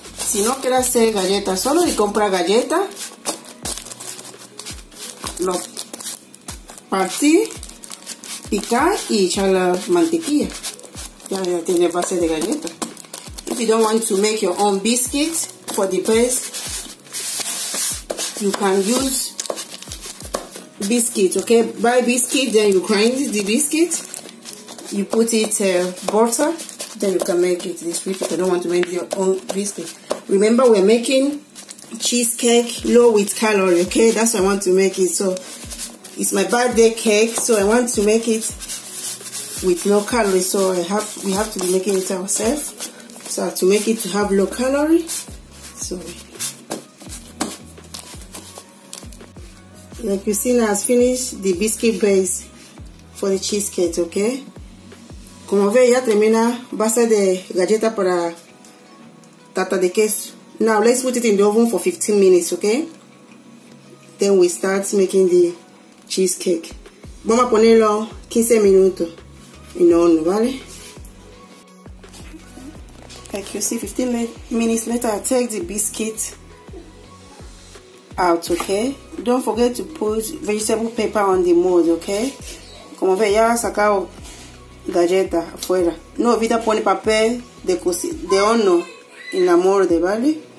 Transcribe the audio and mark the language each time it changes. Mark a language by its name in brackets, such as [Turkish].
[Spanish] Si no quieres hacer galletas, solo le compra galleta, lo partir, picar y echar la mantequilla. Ya tiene base de galleta. [English] If you don't want to make your own biscuits for the base, you can use biscuits, okay? Buy biscuit, then you grind the biscuit, you put it butter, then you can make it this way if you don't want to make your own biscuit. Remember, we're making cheesecake low with calorie, okay? That's why I want to make it. So it's my birthday cake, so I want to make it with low calorie. So we have to be making it ourselves. So to make it to have low calorie, so like you see, now I've finished the biscuit base for the cheesecake, okay? [Spanish] Como ve, ya termina base de galleta para tarta de queso. [English] Now let's put it in the oven for 15 minutes, okay? Then we start making the cheesecake. [Spanish] Vamos a ponerlo 15 minutos en el horno, ¿vale? [English] Like you see, 15 minutes later, I take the biscuit out, okay? Don't forget to put vegetable paper on the mold, okay? [Spanish] Como ve, ya sacado galleta afuera. No olvida poner papel de horno en la molde, ¿vale?